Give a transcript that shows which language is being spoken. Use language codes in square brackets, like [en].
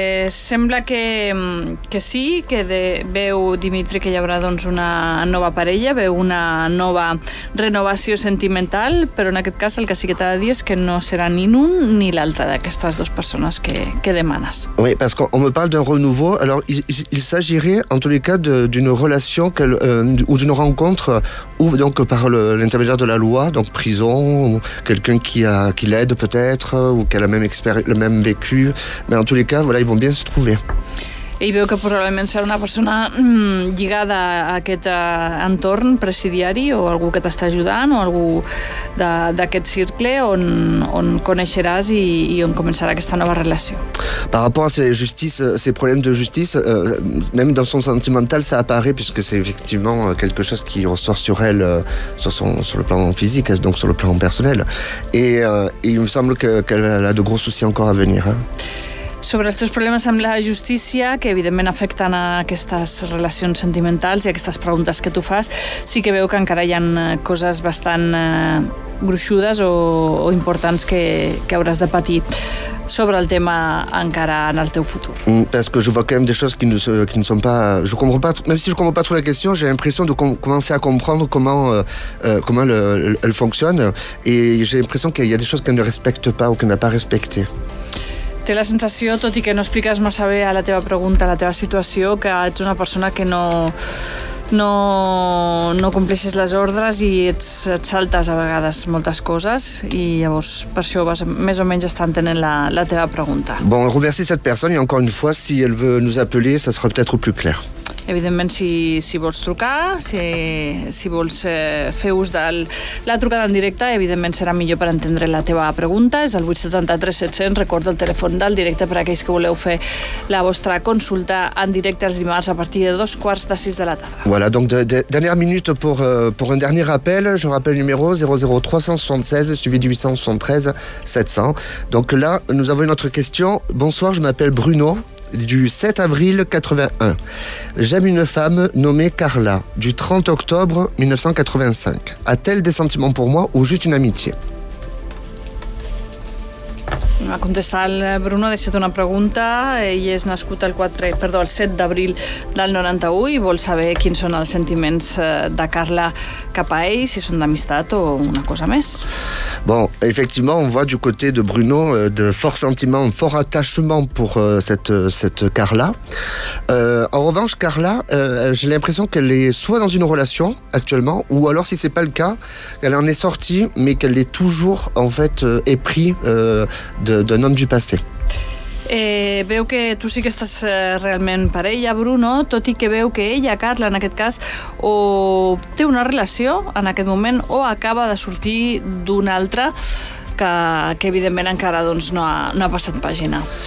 [ca] Sembla que sí, que veu Dimitri que hi haurà doncs, una nova parella, veu una nova renovació sentimental, però en aquest cas el que sí que t'ha de dir és que no serà ni l'un ni l'altre d'aquestes dues persones que demanes. [fr] Oui, parce qu'on me parle d'un renouveau, alors il s'agirait en tous les cas d'une relation ou d'une rencontre ou donc par l'intermédiaire de la loi, donc prison, ou quelqu'un qui l'aide peut-être, ou qui a le même vécu. Mais en tous les cas, voilà, ils vont bien se trouver. [ca] Ell veu que probablement serà una persona lligada a aquest entorn presidiari o algú que t'està ajudant o algú d'aquest cercle on coneixeràs i on començarà aquesta nova relació. [fr] Par rapport à ces problèmes de justice, même dans son sentimental, ça apparaît puisque c'est effectivement quelque chose qui ressort sur elle, sur le plan physique, donc sur le plan personnel. Et il me semble qu'elle a de gros soucis encore à venir. Hein. [ca] Sobre els teus problemes amb la justícia, que evidentment afecten a aquestes relacions sentimentals i aquestes preguntes que tu fas, sí que veu que encara hi ha coses bastant gruixudes o importants que hauràs de patir sobre el tema encara en el teu futur. [fr] Parce que je vois quand même des choses qui ne sont pas... Je comprends pas, même si je comprends pas trop la question, j'ai l'impression de commencer à comprendre comment elle fonctionne et j'ai l'impression qu'il y a des choses qu'elle ne respecte pas ou qu'elle n'a pas respectées. [ca] Té la sensació, tot i que no expliques massa bé a la teva pregunta, a la teva situació, que ets una persona que no compleixes les ordres i et saltes a vegades moltes coses i llavors per això vas més o menys estar entenent la teva pregunta. [fr] Bon, remercie cette personne et encore une fois, si elle veut nous appeler, ça sera peut-être plus clair. [ca] Evidentment, si vols trucar, si vols fer ús de la trucada en directe, evidentment serà millor per entendre la teva pregunta. És el 873-700, recordo el telèfon del directe per a aquells que voleu fer la vostra consulta en directe els dimarts a partir de 6:15 de la tarda. [fr] Voilà, donc dernière minute pour un dernier appel. Je rappelle le numéro 00376 suivi du 873-700. Donc là, nous avons une autre question. Bonsoir, je m'appelle Bruno. Du 7 avril 81. J'aime une femme nommée Carla, du 30 octobre 1985. A-t-elle des sentiments pour moi ou juste une amitié? [ca] Va contestar el Bruno, ha deixat una pregunta. Ell és nascut el 7 d'abril del 91 i vol saber quins són els sentiments de Carla cap a ell, si són d'amistat o una cosa més. [fr] Bon, effectivement, on voit du côté de Bruno de forts sentiments, un fort attachement pour cette Carla. En revanche, Carla, j'ai l'impression qu'elle est soit dans une relation actuellement, ou alors, si c'est pas le cas, qu'elle en est sortie, mais qu'elle est toujours, en fait, épris d'un homme du passé. [ca] Veu que tu sí que estàs realment parella, Bruno, tot i que veu que ella, Carla, en aquest cas, o té una relació en aquest moment o acaba de sortir d'una altra que evidentment encara doncs, no ha passat pàgina.